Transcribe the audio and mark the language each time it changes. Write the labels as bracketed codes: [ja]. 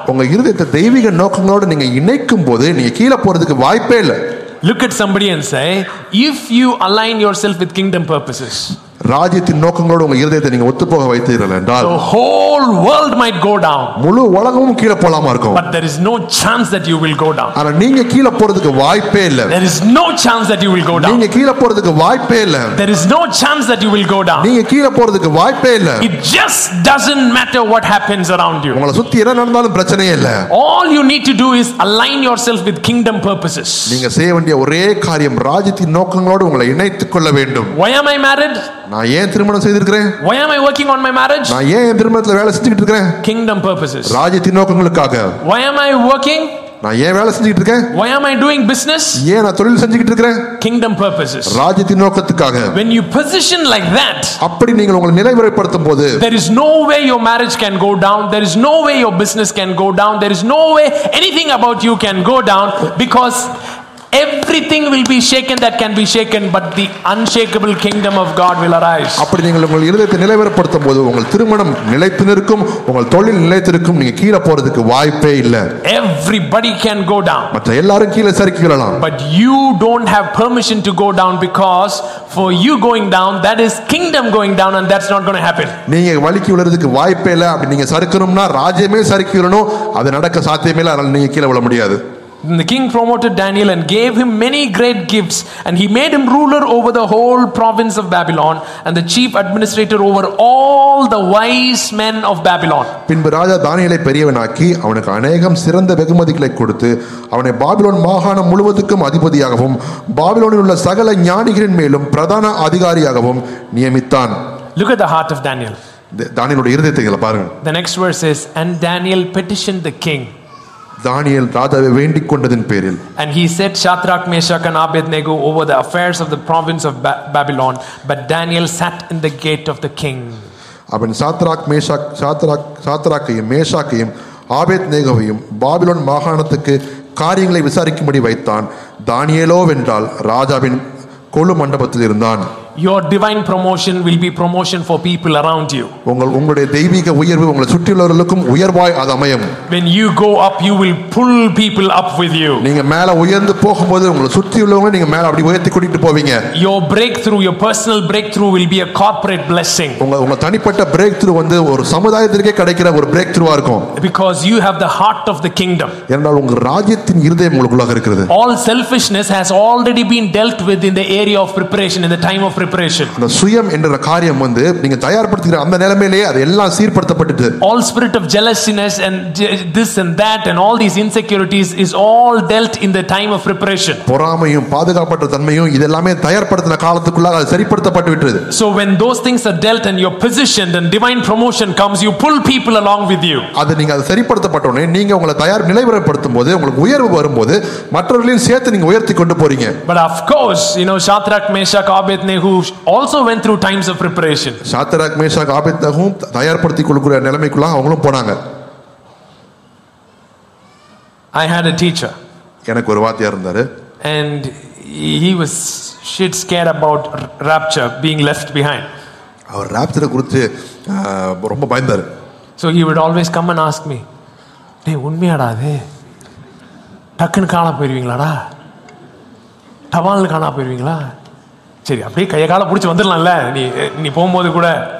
[ta] உங்க இருதயத்தை தெய்வீக நோக்கங்களோட நீங்க இணைக்கும் போது நீங்க கீழே போறதுக்கு வாய்ப்பே இல்லை. [en] Look at somebody and say, if you align yourself with kingdom purposes, [ta] ராஜ்யத்தின் நோக்கங்களோடு உங்க இருதயத்தை நீங்க ஒத்து போக வைத்தீர்கள் என்றால், [en] the whole world might go down. [ta] முழு உலகமும் கீழே போலாமா இருக்கும். [en] But there is no chance that you will go down. [ta] ஆனா நீங்க கீழே போறதுக்கு வாய்ப்பே இல்லை. [en] There is no chance that you will go down. [ta] நீங்க கீழே போறதுக்கு வாய்ப்பே இல்லை. [en] There is no chance that you will go down. [ta] நீங்க கீழே போறதுக்கு வாய்ப்பே இல்லை. [en] It just doesn't matter what happens around you. [ta] உங்களை சுத்தி என்ன நடந்தாலும் பிரச்சனையே இல்லை. [en] All you need to do is align yourself with kingdom purposes. [ta] நீங்க செய்ய வேண்டிய ஒரே காரியம் ராஜ்யத்தின் நோக்கங்களோடு உங்களை இணைத்துக் கொள்ள வேண்டும். [en] Why am I married? [ta] நான் ஏன் திருமணம் செய்திருக்கிறேன்? [en] Why am I working on my marriage? [ta] நான் ஏன் என் திருமணத்துல வேலை செஞ்சிட்டு இருக்கிறேன்? [en] Kingdom purposes. [ta] ராஜ்யத்தின் நோக்கங்களுக்காக. [en] Why am I working? [ta] நான் ஏன் வேலை செஞ்சிட்டு இருக்கேன்? [en] Why am I doing business? [ta] ஏன் நான் தொழில் செஞ்சிட்டு இருக்கிறேன்? [en] Kingdom purposes. [ta] ராஜ்யத்தின் நோக்கத்துக்காக. [en] When you position like that, [ta] அப்படி நீங்கள் உங்களை நிலைவரப்படுத்தும் போது, [en] there is no way your marriage can go down, there is no way your business can go down, there is no way anything about you can go down, because Everything will be shaken that can be shaken, but the unshakable kingdom of God will arise. [ta] அப்படி நீங்கள் உங்கள் இருதயத்தை நிலைவரப்படுத்தும் போது உங்கள் திருமணம் நிலைத்து நிற்கும், உங்கள் தொழில் நிலைத்து நிற்கும், நீங்க கீழே போறதுக்கு வாய்ப்பே இல்ல. [en] Everybody can go down. [ta] மற்ற எல்லாரும் கீழே சறுக்கிடலாம். [en] But you don't have permission to go down, because for you going down, that is kingdom going down, and that's not going to happen. [ta] நீங்க வலிக்கு உலரதுக்கு வாய்ப்பே இல்ல. அப்படி நீங்க சறுக்கணும்னா ராஜ்யமே சறுக்கிடணும். அது நடக்க சாத்தியமே இல்ல. நீங்க கீழே விழ முடியாது. [en] The king promoted Daniel and gave him many great gifts, and he made him ruler over the whole province of Babylon and the chief administrator over all the wise men of Babylon. [ta] பின்பு ராஜா தானியேலை பெரியவனாக்கி அவனுக்கு அநேகம் சிறந்த வெகுமதிகளை கொடுத்து அவனை Babylon மாகாணம் முழுவதுக்கும் அதிபதியாகவும் பாபிலோனில் உள்ள சகல ஞானிகளின் மேலும் பிரதான அதிகாரியாகவும் நியமித்தான். [en] Look at the heart of Daniel. [ta] தானியேலோட இருதயத்தை பாருங்க. [en] The next verse is, and Daniel petitioned the king. [ta] Daniel ராஜாவை வேண்டிக் கொண்டதின் பேரில், [en] and he said Shadrach, Meshach and Abednego over the affairs of the province of Babylon, but Daniel sat in the gate of the king. [ta] அவன் சாத்ராக்கையும் மேஷாக்கையும் ஆபேத்நேகோவையும் Babylon மாகாணத்துக்கு காரியங்களை விசாரிக்கும்படி வைத்தான். தானியேலோ என்றால் ராஜாவின் கொழு மண்டபத்தில் இருந்தான். [en] Your divine promotion will be promotion for people around you. [ta] உங்களுடைய தெய்வீக உயர்வு உங்களை சுற்றியுள்ளவர்களுக்கும் உயர்வாய் அது அமையும். [en] When you go up, you will pull people up with you. [ta] நீங்க மேலே உயர்ந்து போகும்போது உங்களை சுற்றியுள்ளவங்க நீங்க மேலே அப்படி உயர்த்தி கூட்டிட்டு போவீங்க. [en] Your breakthrough, your personal breakthrough will be a corporate blessing. [ta] உங்க தனிப்பட்ட breakthrough வந்து ஒரு சமுதாயத்திற்கே கிடைக்கிற ஒரு breakthrough-ஆ இருக்கும். [en] Because you have the heart of the kingdom. [ta] ஏனென்றால் உங்க ராஜ்யத்தின் இருதயம் உங்களுக்குள்ள இருக்குது. [en] All selfishness has already been dealt with in the area of preparation, in the time of preparation. [ta] சுயம் என்ற காரியம் வந்து நீங்க தயார்படுத்துற அந்த நிலமேலயே அது எல்லாம் சீர்படுத்தப்பட்டது. [en] All spirit of jealousiness and this and that and all these insecurities is all dealt in the time of preparation. [ta] பொறாமையும் பாதுகாப்பற்ற தன்மையும் இதெல்லாம்மே தயார்படுத்தின காலத்துக்குள்ள அது சரிப்படுத்தப்பட்டு விட்டது. [en] So when those things are dealt and you're positioned and divine promotion comes, you pull people along with you. [ta] அது நீங்க அது சரிப்படுத்தப்பட்டவுனே நீங்க உங்களை தயார் நிலைவரப்படுத்தும் போது உங்களுக்கு உயர்வு வரும்போது மற்றவர்களையும் சேர்த்து நீங்க உயர்த்தி கொண்டு போறீங்க. [en] But of course, you know, Shadrach, Meshach, Abednego, who also went through times of preparation. [ta] Shadrach Meshach Abednego தயார்படுத்திக்கொள்ளுகிற நிலைமைக்குள்ள அவங்களும் போனாங்க. [en] I had a teacher. [ta] எனக்கு ஒரு வாத்தியார் இருந்தார். [en] And he was shit scared about rapture being left behind. [ta] Our rapture குறித்து ரொம்ப பயந்தார். [en] So he would always come and ask me, [ta] "டேய் உண்மையாடா அது? டக்குன்னு காணாம போயிடுவீங்களாடா? டவால்னு காணாம போயிடுவீங்களா? சரி அப்படியே கைய கால புடிச்சு வந்துடலாம்ல நீ நீ போகும்போது கூட."